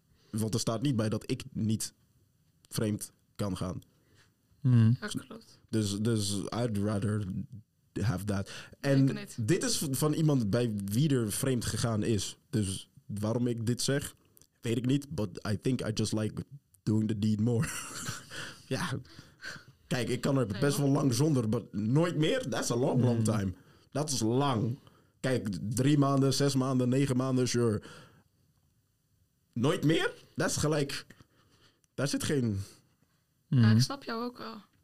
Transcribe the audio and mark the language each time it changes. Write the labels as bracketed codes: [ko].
[nl] Want er staat niet bij dat ik niet vreemd kan gaan. Klopt. Dus [en] I'd rather have that. [nl] En dit is van iemand bij wie er vreemd gegaan is. Dus waarom ik dit zeg, weet ik niet. [en] But I think I just like doing the deed more. [nl] Ja... Kijk, ik kan er best wel lang zonder, maar nooit meer? [en] That's a long, long time. [nl] Dat is lang. Kijk, 3 maanden, 6 maanden, 9 maanden, sure. Nooit meer? Dat is gelijk... Daar zit geen... Ja, ik snap jou ook wel.